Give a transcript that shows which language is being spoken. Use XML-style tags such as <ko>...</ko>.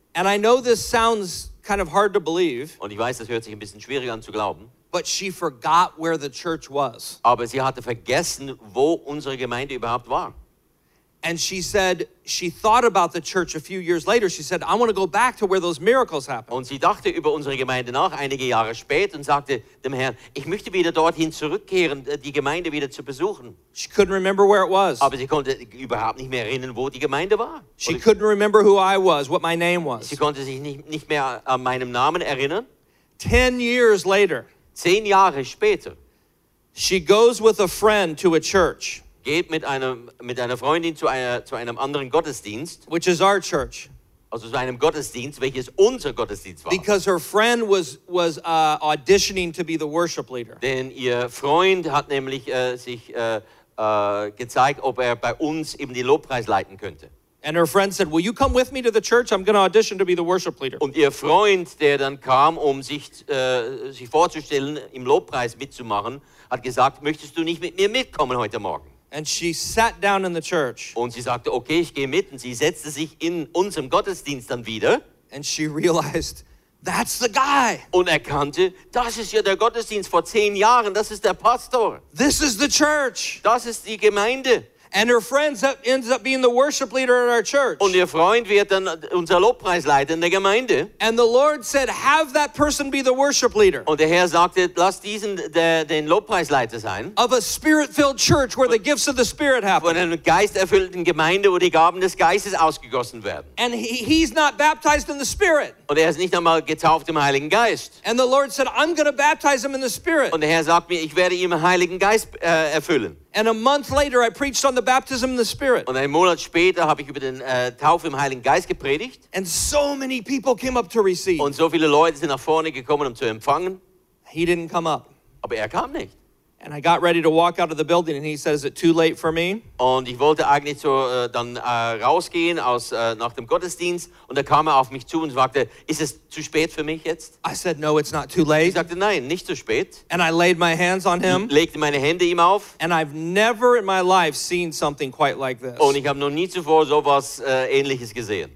<en>And I know this sounds kind of hard to believe.</en> <de>Und ich weiß, das hört sich ein bisschen schwierig an zu glauben.</de> <en>But she forgot where the church was.</en> <de>Aber sie hatte vergessen, wo unsere Gemeinde überhaupt war.</de> <en>And she said she thought about the church a few years later. She said, "I want to go back to where those miracles happened."</en> <de>Und sie dachte über unsere Gemeinde nach einige Jahre später und sagte dem Herrn, "Ich möchte wieder dorthin zurückkehren, die Gemeinde wieder zu besuchen."</de> <en>She couldn't remember where it was.</en> <de>Aber sie konnte überhaupt nicht mehr erinnern, wo die Gemeinde war.</de> <en>She couldn't remember who I was, what my name was.</en> <de>Sie konnte sich nicht mehr an meinen Namen erinnern.</de> <en>10 years later.</en> <de>10 Jahre später.</de> <en>She goes with a friend to a church.</en> <de>geht mit einer Freundin zu einem anderen Gottesdienst.</de> <en>Which is our church.</en> <de>Also zu einem Gottesdienst, welches unser Gottesdienst war.</de> <en>Because her friend was auditioning to be the worship leader.</en> <de>Denn ihr Freund hat nämlich sich gezeigt, ob er bei uns eben den Lobpreis leiten könnte.</de> <en>And her friend said, "Will you come with me to the church? I'm going to audition to be the worship leader."</en> <de>Und ihr Freund, der dann kam, um sich vorzustellen, im Lobpreis mitzumachen, hat gesagt, möchtest du nicht mit mir mitkommen heute Morgen?</de> <en>And she sat down in the church.</en> <de>Und sie sagte, okay, ich gehe mit. Und sie setzte sich in unserem Gottesdienst dann wieder.</de> <en>And she realized, that's the guy.</en> <de>Und erkannte, das ist ja der Gottesdienst vor 10 Jahren. Das ist der Pastor.</de> <en>This is the church.</en> <de>Das ist die Gemeinde.</de> <en>And her friend ends up being the worship leader in our church.</en> <de>Und ihr Freund wird dann unser Lobpreisleiter in der Gemeinde.</de> <en>And the Lord said, "Have that person be the worship leader."</en> <de>Und der Herr sagte, lass diesen den Lobpreisleiter sein.</de> <en>Of a spirit-filled church where the gifts of the Spirit happen.</en> <de>Von einer geisterfüllten Gemeinde, wo die Gaben des Geistes ausgegossen werden.</de> <en>And he's not baptized in the Spirit.</en> <de>Und ist nicht einmal getauft im Heiligen Geist.</de> <en>And the Lord said, "I'm going to baptize him in the Spirit."</en> <de>Und der Herr sagt mir, ich werde ihm den Heiligen Geist erfüllen.</de> <en>And a month later, I preached on the baptism in the Spirit.</en> <de>Und einen Monat später habe ich über den Taufe im Heiligen Geist gepredigt.</de> <en>And so many people came up to receive.</en> <de>Und so viele Leute sind nach vorne gekommen, um zu empfangen.</de> <en>He didn't come up.</en> <de>Aber er kam nicht.</de> <en>And I got ready to walk out of the building, and he said, "Is it too late for me?"</en> <de>Und ich wollte eigentlich rausgehen aus nach dem Gottesdienst, und da kam er auf mich zu und sagte, "Ist es zu spät für mich jetzt?"</de> <en>I said, "No, it's not too late."</en> <de>Ich sagte, nein, nicht zu spät.</de> <en>And I laid my hands on him.</en> <de>Legte meine Hände ihm auf.</de> <en>And I've never in my life seen something quite like this.</en> <de>Und ich habe noch nie zuvor sowas Ähnliches gesehen.</de>